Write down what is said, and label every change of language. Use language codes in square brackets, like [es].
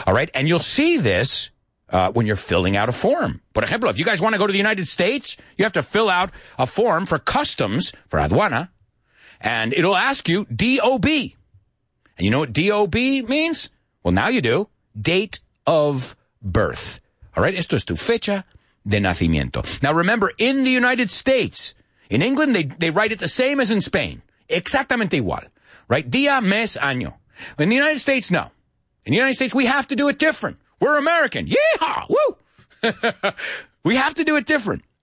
[en] All right, and you'll see this when you're filling out a form. [es] Por ejemplo, [en] if you guys want to go to the United States, you have to fill out a form for customs, for aduana, and it'll ask you D-O-B. And you know what D-O-B means? Well, now you do. Date of birth. All right, [es] esto es tu fecha de nacimiento. [en] Now, remember, in the United States, in England, they write it the same as in Spain. [es] Exactamente igual. [en] Right? [es] Día, mes, año. [en] In the United States, no. In the United States, we have to do it different. We're American. Yeehaw! Woo! We have to do it different.